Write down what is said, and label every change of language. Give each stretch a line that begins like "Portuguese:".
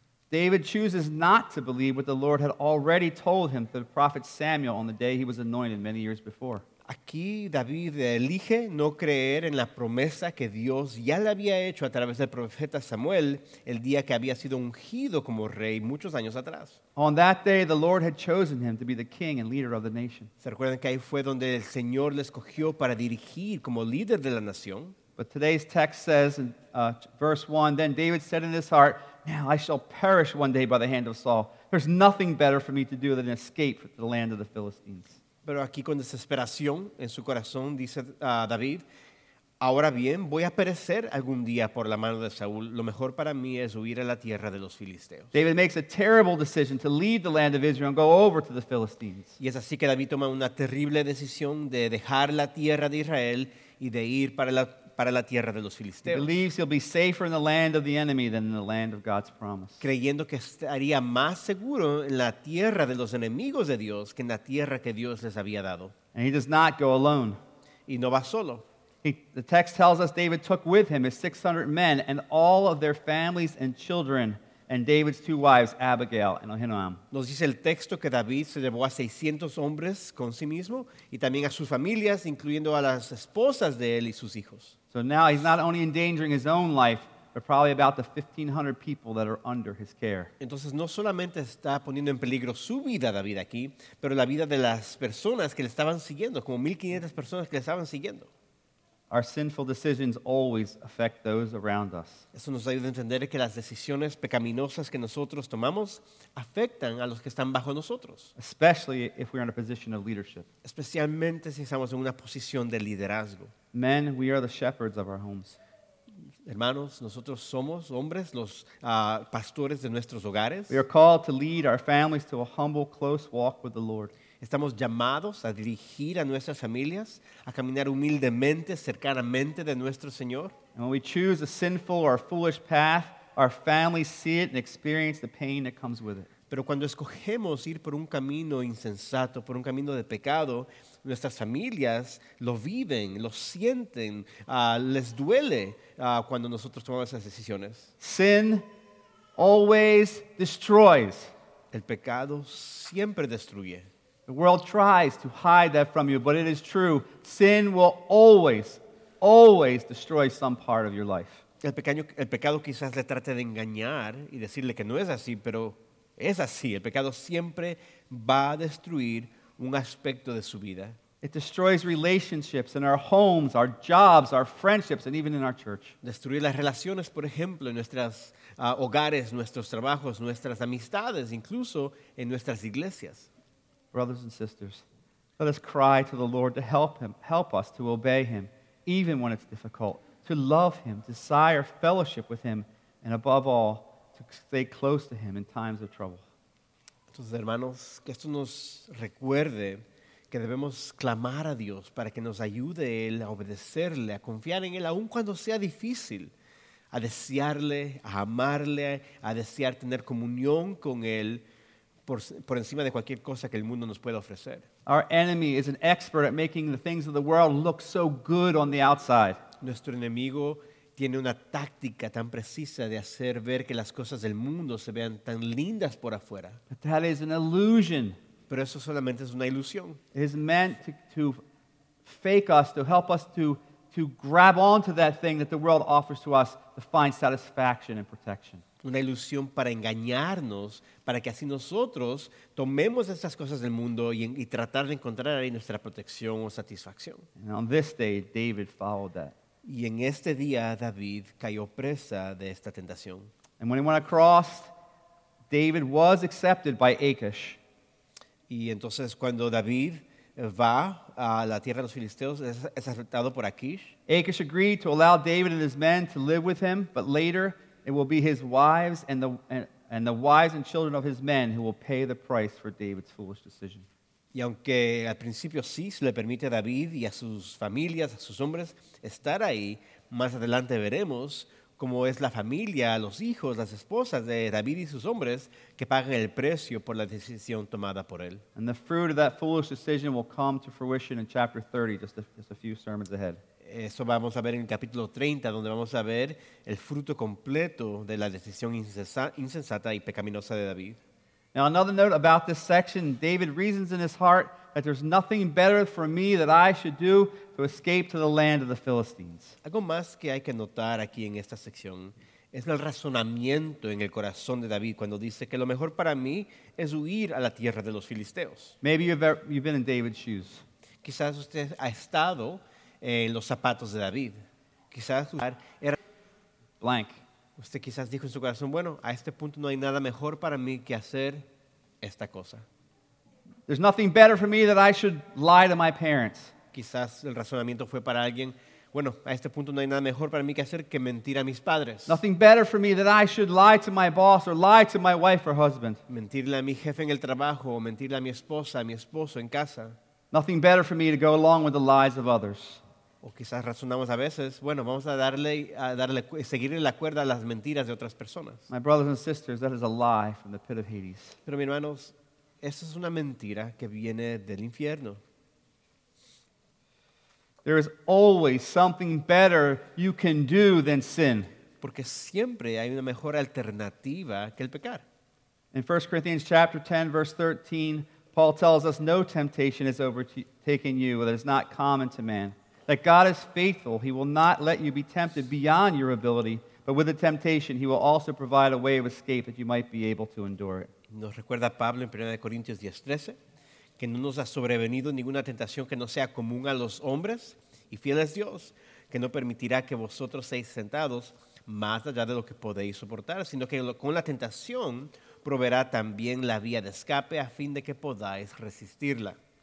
English: David chooses not to believe what the Lord had already told him through the prophet Samuel on the day he was anointed many years before.
Spanish: Aquí David elige no creer en la promesa que Dios ya le había hecho a través del profeta Samuel el día que había sido ungido como rey muchos años atrás.
English: On that day, the Lord had chosen him to be the king and leader of the nation.
Spanish: ¿Se recuerdan que ahí fue donde el Señor le escogió para dirigir como líder de la nación?
English: But today's text says in verse 1, then David said in his heart, now I shall perish one day by the hand of Saul. There's nothing better for me to do than escape to the land of the Philistines.
Spanish: Pero aquí con desesperación en su corazón dice David, ahora bien, voy a perecer algún día por la mano de Saúl. Lo mejor para mí es huir a la tierra de los filisteos.
English: David makes a terrible decision to leave the land of Israel and go over to the Philistines.
Spanish: Y es así que David toma una terrible decisión de dejar la tierra de Israel y de ir para la tierra de los filisteos.
English: He believes he'll be safer in the land of the enemy than in the land of God's promise.
Spanish: Creyendo que estaría más seguro en la tierra de los enemigos de Dios que en la tierra que Dios les había dado.
English: And he does not go alone.
Spanish: Y no va solo.
English: The text tells us David took with him his 600 men and all of their families and children and David's two wives, Abigail and Ahinoam.
Spanish: Nos dice el texto que David se llevó a 600 hombres con sí mismo y también a sus familias, incluyendo a las esposas de él y sus hijos.
English: So now he's not only endangering his own life, but probably about the 1,500 people that are under his care.
Spanish: Entonces, no solamente está poniendo en peligro su vida, David, aquí, pero la vida de las personas que le estaban siguiendo, como 1,500 personas que le estaban siguiendo.
English: Our sinful decisions always affect those around us.
Spanish: Eso nos ayuda a entender que las decisiones pecaminosas que nosotros tomamos afectan a los que están bajo nosotros.
English: Especially if we're in a position of leadership.
Spanish: Especialmente si estamos en una posición de liderazgo.
English: Men, we are the shepherds of our homes.
Spanish: Hermanos, nosotros somos hombres, los pastores de nuestros hogares.
English: We are called to lead our families to a humble, close walk with the Lord.
Spanish: Estamos llamados a dirigir a nuestras familias, a caminar humildemente, cercanamente de nuestro Señor.
English: And when we choose a sinful or a foolish path, our families see it and experience the pain that comes with it.
Spanish: Pero cuando escogemos ir por un camino insensato, por un camino de pecado, nuestras familias lo viven, lo sienten, les duele cuando nosotros tomamos esas decisiones.
English: Sin always destroys.
Spanish: El pecado siempre destruye.
English: The world tries to hide that from you, but it is true. Sin will always, always destroy some part of your life.
Spanish: El pecado quizás le trate de engañar y decirle que no es así, pero es así. El pecado siempre va a destruir un aspecto de su vida.
English: It destroys relationships in our homes, our jobs, our friendships, and even in our church.
Spanish: Destruye las relaciones, por ejemplo, en nuestras hogares, nuestros trabajos, nuestras amistades, incluso en nuestras iglesias.
English: Brothers and sisters, let us cry to the Lord to help him, help us to obey him, even when it's difficult, to love him, desire fellowship with him, and above all, to stay close to him in times of trouble.
Spanish: Entonces, hermanos, que esto nos recuerde que debemos clamar a Dios para que nos ayude Él a obedecerle, a confiar en Él, aun cuando sea difícil, a desearle, a amarle, a desear tener comunión con Él, por encima de cualquier cosa que el mundo nos pueda ofrecer.
English: Our enemy is an expert at making the things of the world look so good on the outside.
Spanish: Nuestro enemigo tiene una táctica tan precisa de hacer ver que las cosas del mundo se vean tan lindas por afuera.
English: But that is an illusion.
Spanish: Pero eso solamente es una ilusión.
English: It is meant to fake us, to help us to grab onto that thing that the world offers to us to find satisfaction and protection.
Spanish: Una ilusión para engañarnos, para que así nosotros tomemos esas cosas del mundo y tratar de encontrar ahí nuestra protección o satisfacción.
English: And on this day, David followed that.
Spanish: Y en este día, David cayó presa de esta tentación.
English: And when he went across, David was accepted by Achish.
Spanish: Y entonces cuando David va a la tierra de los filisteos, es aceptado por Achish.
English: Achish agreed to allow David and his men to live with him, but later it will be his wives and the wives and children of his men who will pay the price for David's foolish decision.
Spanish: Y Y aunque al principio sí se le permite a David y a sus familias, a sus hombres, estar ahí, más adelante veremos cómo es la familia, los hijos, las esposas de David y sus hombres que pagan el precio por la decisión tomada por él.
English: And the fruit of that foolish decision will come to fruition in chapter 30, just a few sermons ahead.
Spanish: Eso vamos a ver en el capítulo 30, donde vamos a ver el fruto completo de la decisión insensata y pecaminosa de David.
English: Now, another note about this section, David reasons in his heart that there's nothing better for me that I should do to escape to the land of the Philistines.
Spanish: Algo más que hay que notar aquí en esta sección es el razonamiento en el corazón de David cuando dice que lo mejor para mí es huir a la tierra de los filisteos.
English: Maybe you've been in David's shoes.
Spanish: Quizás usted ha estado en los zapatos de David. Quizás usted era
English: blank.
Spanish: Usted quizás dijo en su corazón, bueno, a este punto no hay nada mejor para mí que hacer esta cosa.
English: There's nothing better for me that I should lie to my parents.
Spanish: Quizás el razonamiento fue para alguien, bueno, a este punto no hay nada mejor para mí que hacer que mentir a mis padres.
English: Nothing better for me that I should lie to my boss or lie to my wife or husband.
Spanish: Mentirle a mi jefe en el trabajo o mentirle a mi esposa, a mi esposo en casa.
English: Nothing better for me to go along with the lies of others.
Spanish: O quizás razonamos a veces, bueno, vamos a darle, seguirle la cuerda a las mentiras de otras personas.
English: My brothers and sisters, that is a lie from the pit of Hades.
Spanish: Pero mis hermanos, esa es una mentira que viene del infierno.
English: There is always something better you can do than sin.
Spanish: Porque siempre hay una mejor alternativa que el pecar.
English: In 1 Corinthians chapter 10, verse 13, Paul tells us, no temptation has overtaken you that is not common to man. That God is faithful, he will not let you be tempted beyond your ability, but with the temptation he will also provide a way of escape that you might be able to endure it.
Spanish: Nos recuerda Pablo en 1 Corintios 10:13, que no nos ha sobrevenido ninguna tentación que no sea común a los hombres, y fiel es Dios, que no permitirá que vosotros seáis tentados más allá de lo que podéis soportar, sino que con la tentación proveerá también la vía de escape a fin de que podáis resistirla.